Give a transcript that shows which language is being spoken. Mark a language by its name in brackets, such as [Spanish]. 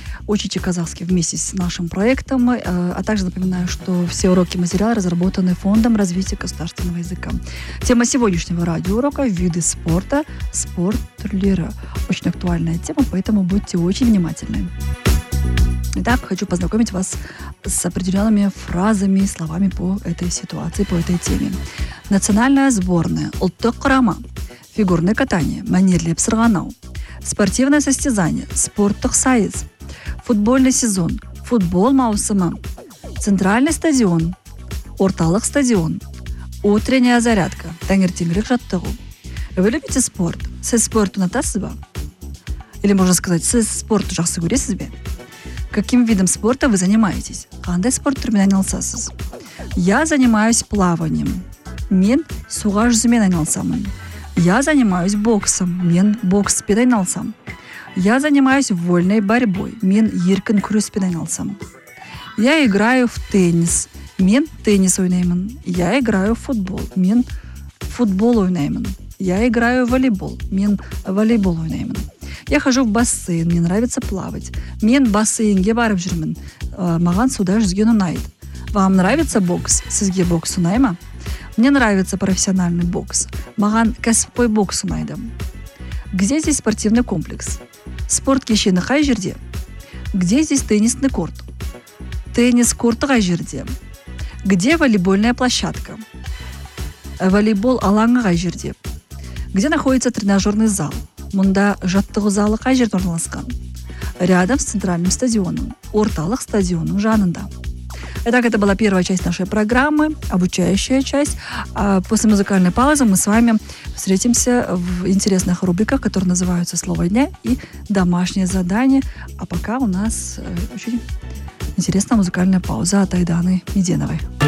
[Russian] Учите казахский вместе с нашим проектом. А также напоминаю, что все уроки и материалы разработаны Фондом развития государственного языка. Тема сегодняшнего радиоурока – виды спорта, спорт-турниры. Очень актуальная тема, поэтому будьте очень внимательны. Итак, хочу познакомить вас с определенными фразами и словами по этой ситуации, по этой теме. Национальная сборная – [Kazakh] ұлттық құрама. [Russian] Фигурное катание – [Kazakh] мәнерлеп сырғанау. [Russian] Спортивное состязание – [Kazakh] спорттық сайыс. [Russian] Футбольный сезон – [Kazakh] футбол маусымы. [Russian] Центральный стадион – [Kazakh] орталық стадион. [Russian] Утренняя зарядка – [Kazakh] таңертеңгілік жаттығу. [Russian] Вы любите спорт? [Kazakh] Сіз спорт ұнатасыз ба? [Russian] Или можно сказать, [Kazakh] сіз спорт жақсы көресіз бе? [Russian] Каким видом спорта вы занимаетесь? [Kazakh] Қандай спорт түрімен айналысасыз? [Russian] Я занимаюсь плаванием. [Kazakh] Мен суға жүзумен айналысамын. [Russian] Я занимаюсь боксом. [Kazakh] Мен бокспен айналысам. [Russian] Я занимаюсь вольной борьбой. [Kazakh] Мен еркін күреспен айналысам. [Russian] Я играю в теннис. [Kazakh] Мен теннис ойнаймын. [Russian] Я играю в футбол. [Kazakh] Мен футбол ойнаймын. [Russian] Я играю в волейбол. [Kazakh] Мен волейбол ойнаймын. [Russian] Я хожу в бассейн. Мне нравится плавать. [Kazakh] Мен бассейнге барып жүрмін. Маған суда жүзген ұнайды. [Russian] Вам нравится бокс? [Kazakh] Сізге бокс ұнайма? [Russian] Мне нравится профессиональный бокс. [Kazakh] Маған кәсіпқой бокс ұнайды. [Russian] Где здесь спортивный комплекс? [Kazakh] Спорт кешені қай жерде? [Russian] Где здесь теннисный корт? [Kazakh] Теннис корты қай жерде? [Russian] Где волейбольная площадка? [Kazakh] Волейбол алаңы қай жерде? [Russian] Где находится тренажерный зал? [Kazakh] Мұнда жаттығы залы қай жерде орналасқан? [Russian] Рядом с центральным стадионом, [Kazakh] орталық стадионом жанында. [Russian] Итак, это была первая часть нашей программы, обучающая часть. После музыкальной паузы мы с вами встретимся в интересных рубриках, которые называются «Слово дня» и «Домашнее задание». А пока у нас очень интересная музыкальная пауза от Айданы Меденовой.